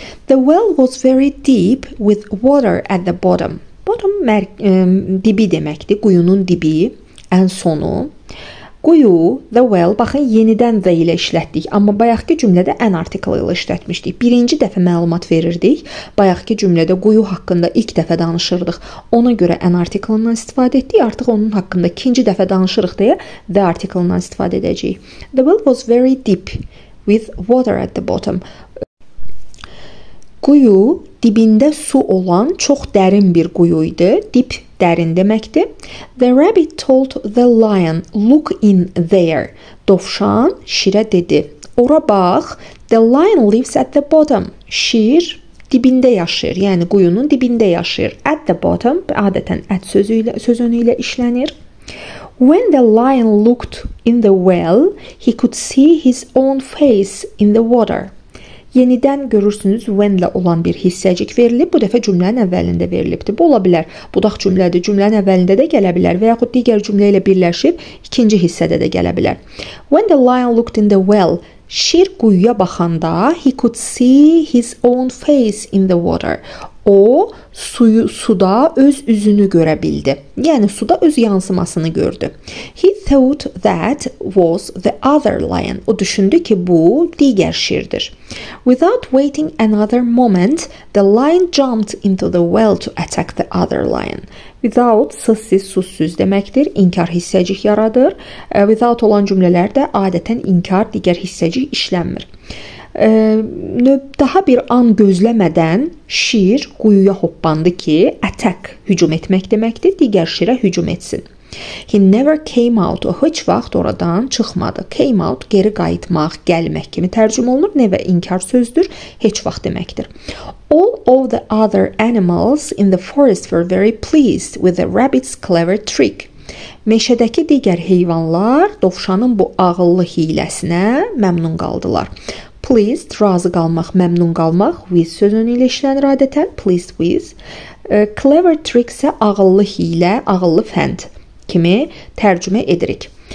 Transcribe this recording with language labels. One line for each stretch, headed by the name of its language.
English: The well was very deep with water at the bottom.
Azerbaijani: Bottom dibi deməkdir, quyunun dibi, ən sonu. Quyu, the well, baxın, yenidən the ilə işlətdik. Amma bayaqki cümlədə an article ilə işlətmişdik. Birinci dəfə məlumat verirdik. Bayaqki cümlədə quyu haqqında ilk dəfə danışırdıq. Ona görə an article ilə istifadə etdik. Artıq onun haqqında ikinci dəfə danışırıq deyə the article ilə istifadə edəcəyik.
English: The well was very deep with water at the bottom.
Azerbaijani: Quyu dibində su olan çox dərin bir quyu idi. Dip dərin deməkdir.
English: The rabbit told the lion, look in there.
Azerbaijani: Dovşan şirə dedi, ora bax,
English: the lion lives at the bottom.
Azerbaijani: Şir dibində yaşayır, yəni quyunun dibində yaşayır. At the bottom, adətən at sözünü ilə işlənir.
English: When the lion looked in the well, he could see his own face in the water.
Azerbaijani: Yenidən görürsünüz, when-lə olan bir hissəcik verilib, bu dəfə cümlənin əvvəlində verilibdir. Bu ola bilər, budaq cümlədir, cümlənin əvvəlində də gələ bilər və yaxud digər cümlə ilə birləşib, ikinci hissədə də gələ bilər.
English: When the lion looked in the well,
Azerbaijani: şir quyuya baxanda,
English: he could see his own face in the water.
Azerbaijani: O, suda öz üzünü görə bildi. Yəni, suda öz yansımasını gördü.
English: He thought that was the other lion.
Azerbaijani: O düşündü ki, bu digər şirdir.
English: Without waiting another moment, the lion jumped into the well to attack the other lion.
Azerbaijani: Without, sızsız, susuz deməkdir, inkar hissəcik yaradır. Without olan cümlələrdə adətən inkar, digər hissəcik işlənmir. Daha bir an gözləmədən şir quyuya hoppandı ki, attack, hücum etmək deməkdir, digər şirə hücum etsin.
English: He never came out,
Azerbaijani: o heç vaxt oradan çıxmadı. Came out, geri qayıtmaq, gəlmək kimi tərcüm olunur, nevə inkar sözdür, heç vaxt deməkdir.
English: All of the other animals in the forest were very pleased with the rabbit's clever trick.
Azerbaijani: Meşədəki digər heyvanlar dovşanın bu ağıllı hiləsinə məmnun qaldılar. Pleased, razı qalmaq, məmnun qalmaq, with sözünü ilə işlənir adətən, pleased with. Clever trick isə ağıllı hilə, ağıllı fənd kimi tərcümə edirik.